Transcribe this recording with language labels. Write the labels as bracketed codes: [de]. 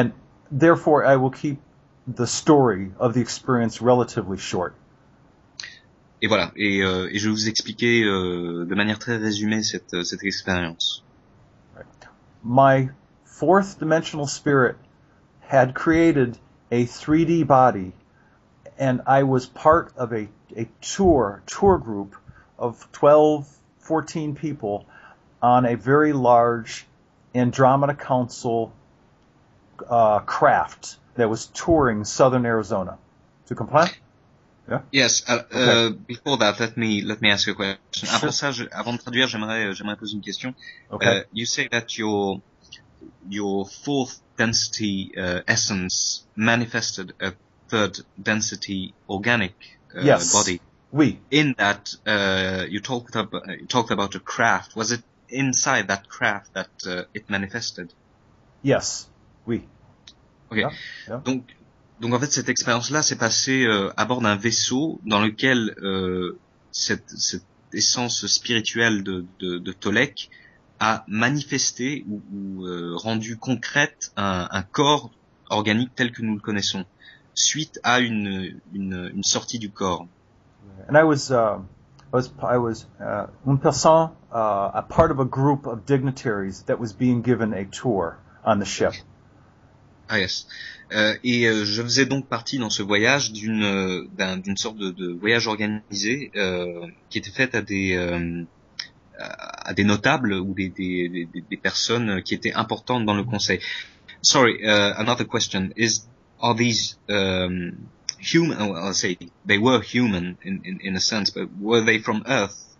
[en] And therefore, I will keep the story of the experience relatively short. [fr] Et voilà. Et je vais vous expliquer de manière très résumée cette expérience. [en] Right. My fourth dimensional spirit had created a 3D body, and I was part of a tour group of 12, 14 people on a very large Andromeda Council craft that was touring southern Arizona. To comply? Yeah. Yes. Okay. Before that, let me ask you a question. Sure. [fr] Avant de traduire, j'aimerais poser une question. [en] Okay. You say that your fourth density essence manifested a third density organic body. [fr] Oui. [en] In that, you talked about a craft. Was it inside that craft that it manifested? Yes. [fr] Oui. [en] Ok. Yeah. Yeah. [fr] Donc en fait cette expérience-là s'est passée à bord d'un vaisseau dans lequel cette essence spirituelle de Tolek a manifesté ou rendu concrète un corps organique tel que nous le connaissons suite à une sortie du corps. [en] And I was [fr] une personne [en] a part of a group of dignitaries that was being given a tour on the ship. Ah yes. [fr] Je faisais donc partie dans ce voyage d'une sorte de voyage organisé qui était fait à des notables ou des personnes qui étaient importantes dans le conseil. [en] Sorry, another question is: are these human? Well, I'll say they were human in a sense, but were they from Earth?